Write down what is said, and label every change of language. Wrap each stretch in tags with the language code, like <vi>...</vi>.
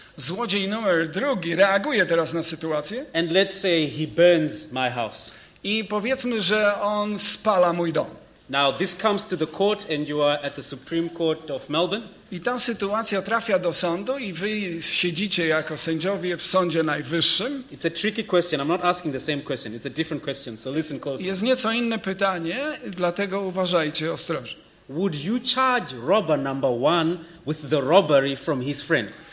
<pl>Złodziej numer drugi reaguje teraz na sytuację.</pl> <en>And let's say he burns my house.</en> <pl>I powiedzmy, że on spala mój dom.</pl> <en>Now this comes to the court and you are at the Supreme Court of Melbourne.</en> <pl>I ta sytuacja trafia do sądu i wy siedzicie jako sędziowie w Sądzie Najwyższym.</pl> <en>It's a tricky question. I'm not asking the same question. It's a different question. So listen closely.</en> <pl>Jest nieco inne pytanie, dlatego uważajcie ostrożnie.</pl> <en>Would you charge robber number one with the robbery from his friend?</en>